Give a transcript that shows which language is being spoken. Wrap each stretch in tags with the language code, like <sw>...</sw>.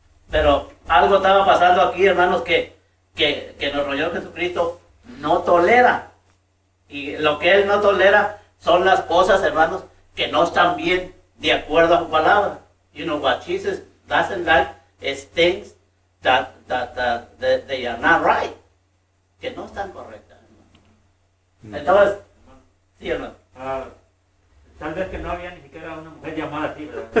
<es>Pero algo estaba pasando aquí, hermanos, que nos rolló Jesucristo. No tolera, y lo que él no tolera son las cosas, hermanos, que no están bien de acuerdo a su palabra.</es> <en>You know what Jesus doesn't like is things that they are not right,</en> <es>que no están correctas, hermano. Entonces, sí, hermano. Tal vez que no había ni siquiera una mujer llamada a ti, ¿verdad?</es>